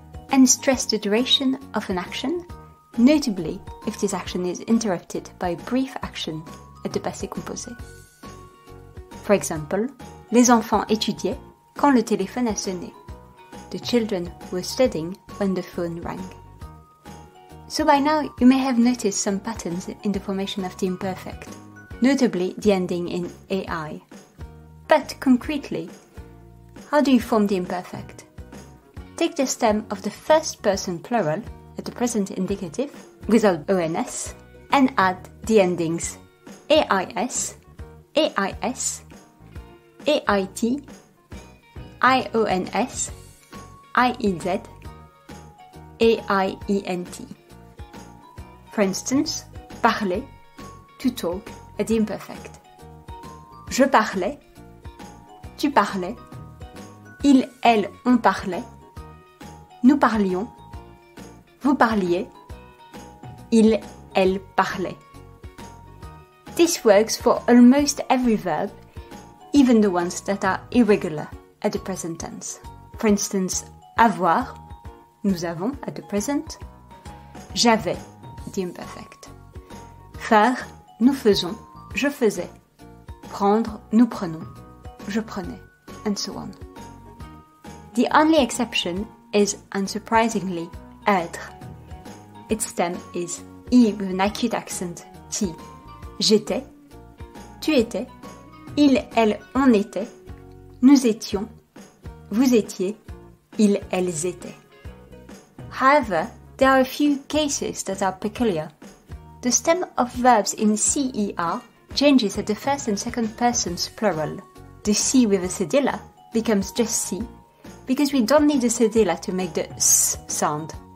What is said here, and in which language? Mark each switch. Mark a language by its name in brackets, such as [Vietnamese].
[English] And stress the duration of an action, notably if this action is interrupted by a brief action at the passé composé. For example, [French] les enfants étudiaient quand le téléphone a sonné. [English] The children were studying when the phone rang. So by now, you may have noticed some patterns in the formation of the imperfect, notably the ending in AI. But concretely, how do you form the imperfect? Take the stem of the first person plural at the present indicative, without ONS, and add the endings AIS, AIS, AIT, IONS, IEZ, AIENT. For instance, parler, to talk, at the imperfect. [French] Je parlais, tu parlais, ils, elles, on parlait, nous parlions, vous parliez, ils, elles parlaient. [English] This works for almost every verb, even the ones that are irregular at the present tense. For instance, avoir, [French] nous avons [English] at the present, [French] j'avais, [English] the imperfect. [French] Faire, nous faisons, je faisais. Prendre, nous prenons, je prenais, [English] and so on. The only exception is, unsurprisingly, être. Its stem is I with an acute accent, T. [French] J'étais, tu étais, il, elle, on était, nous étions, vous étiez, ils, elles étaient. [English] However, there are a few cases that are peculiar. The stem of verbs in CER changes at the first and second persons plural. The C with a cedilla becomes just C, because we don't need a cedilla to make the S sound.